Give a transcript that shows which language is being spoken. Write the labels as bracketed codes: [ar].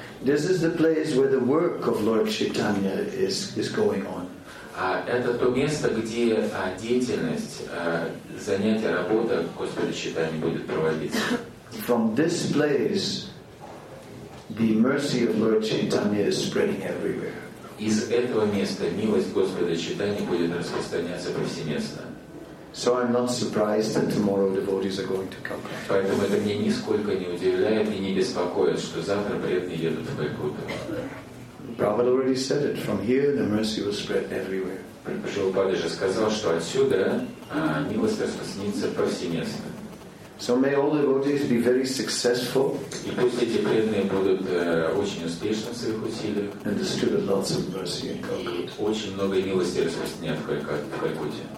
[en] This is the place where the work of Lord Chaitanya is going on. [ru] А это то место, где деятельность, занятие, работа Господа Чайтаньи будет проводиться. [en] from this place, the mercy of Lord Chaitanya is spreading everywhere. [ru] Из этого места милость Господа Чайтаньи будет распространяться повсеместно. [en] So I'm not surprised that tomorrow devotees are going to come. [ru] Поэтому это меня нисколько не удивляет и не беспокоит, что завтра преданные едут в Калькутту. [en] Prabhupada already said it. From here, the mercy will spread everywhere. [ru] Прабхупада же сказал, что отсюда милость распространится повсеместно. [en] So may all devotees be very successful. [ru] И пусть эти преданные будут очень успешны в своих усилиях. [en] And distribute lots of mercy in Calcutta. [ru] И очень много милости распространят в Калькутте.